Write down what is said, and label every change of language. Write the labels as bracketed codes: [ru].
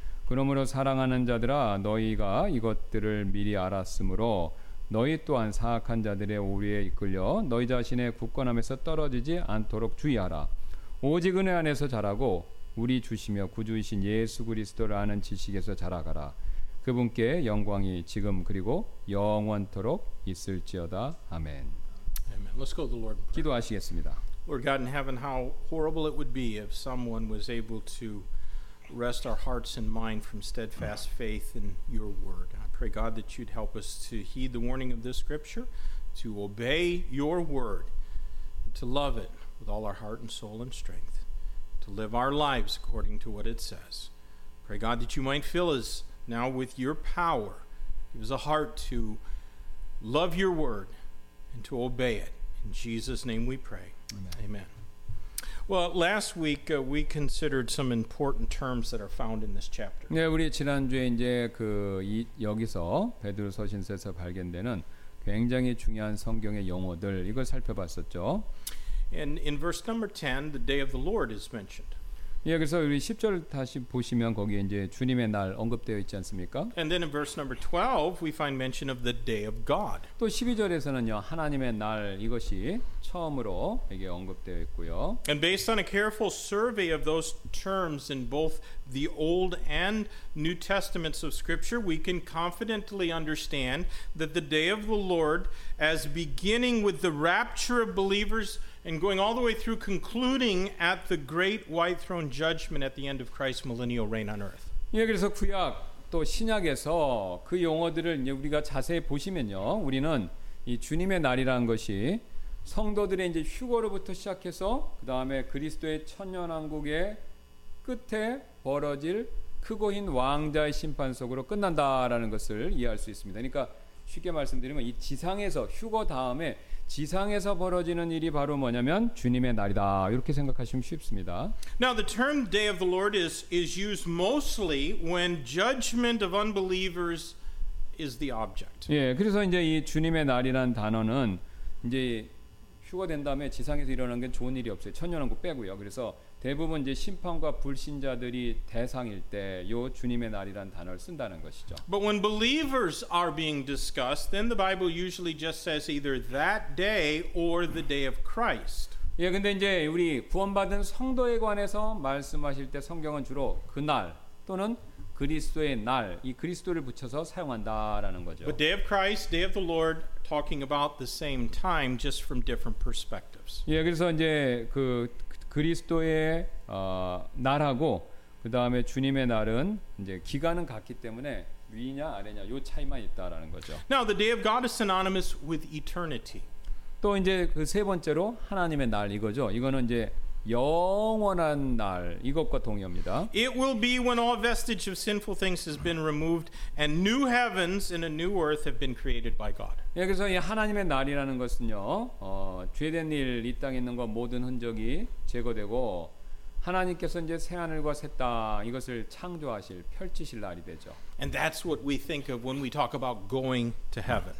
[ko] 그러므로 사랑하는 자들아, 너희가 이것들을 미리 알았으므로 너희 또한 사악한 자들의 오류에 이끌려 너희 자신의 굳건함에서 떨어지지 않도록 주의하라. 오직 은혜 안에서 자라고 우리 주시며 구주이신 예수 그리스도를 아는 지식에서 자라가라. 그분께 영광이 지금 그리고 영원토록 있을지어다. 아멘. [en] Amen. Let's go to the Lord. [ko] 기도하시겠습니다. [en] Lord God in heaven, how horrible it would be if someone was able to rest our hearts and mind from steadfast faith in your word. I pray, God, that you'd help us to heed the warning of this scripture, to obey your word, to love it with all our heart and soul and strength, to live our lives according to what it says. Pray, God, that you might fill us now with your power. Give us a heart to love your word and to obey it. In Jesus' name we pray. Amen. Amen. Well, last week we considered some important terms that are found in this chapter. [ko] 네, 우리 지난주에 이제 그 이, 여기서 베드로 서신서에서 발견되는 굉장히 중요한 성경의 용어들 이걸 살펴봤었죠. [en] And in verse number 10, the day of the Lord is mentioned. [ko] 예, 그래서 우리 10절 다시 보시면 거기에 이제 주님의 날 언급되어 있지 않습니까? [en] And then in verse number 12, we find mention of the day of God. [ko] 또 12절에서는요, 하나님의 날 이것이 처음으로 이게 언급되어 있고요. [en] And based on a careful survey of those terms in both the Old and New Testaments of Scripture, we can confidently understand that the day of the Lord, as beginning with the rapture of believers and going all the way through concluding at the great white throne judgment at the end of Christ's millennial reign on earth. [ko] 예, 그래서 구약 또 신약에서 그 용어들을 이제 우리가 자세히 보시면요, 우리는 이 주님의 날이라는 것이 성도들의 이제 휴거로부터 시작해서 그 다음에 그리스도의 천년왕국의 끝에 벌어질 크고 흰 왕자의 심판 속으로 끝난다라는 것을 이해할 수 있습니다. 그러니까 쉽게 말씀드리면 이 지상에서 휴거 다음에 지상에서 벌어지는 일이 바로 뭐냐면 주님의 날이다. 이렇게 생각하시면 쉽습니다. [en] Now the term day of the Lord is used mostly when judgment of unbelievers is the object. [ko] 예, 그래서 이제 이 주님의 날이란 단어는 이제 휴거 된 다음에 지상에서 일어나는 게 좋은 일이 없어요. 천년왕국 빼고요. 그래서 대부분 이제 심판과 불신자들이 대상일 때 요 주님의 날이란 단어를 쓴다는 것이죠. [en] But when believers are being discussed, then the Bible usually just says either that day or the day of Christ. [ko] 예, 근데 이제 우리 구원받은 성도에 관해서 말씀하실 때 성경은 주로 그날 또는 그리스도의 날, 이 그리스도를 붙여서 사용한다라는 거죠. [en] But day of Christ, day of the Lord, talking about the same time, just from different perspectives. [ko] 예, 그래서 이제 그 그리스도의 날하고 그 다음에 주님의 날은 이제 기간은 같기 때문에 위냐 아래냐 요 차이만 있다라는 거죠. [en] Now the day of God is synonymous with eternity. [ko] 또 이제 그 세 번째로 하나님의 날 이거죠. 이거는 이제 영원한 날 이것과 동의합니다. [en] It will be when all vestige of sinful things has been removed and new heavens and a new earth have been created by God. [ko] 예, 그래서 이 하나님의 날이라는 것은요, 죄된 일 이 땅에 있는 것 모든 흔적이 제거되고 하나님께서 이제 새 하늘과 새 땅 이것을 창조하실 펼치실 날이 되죠. [en] And that's what we think of when we talk about going to heaven.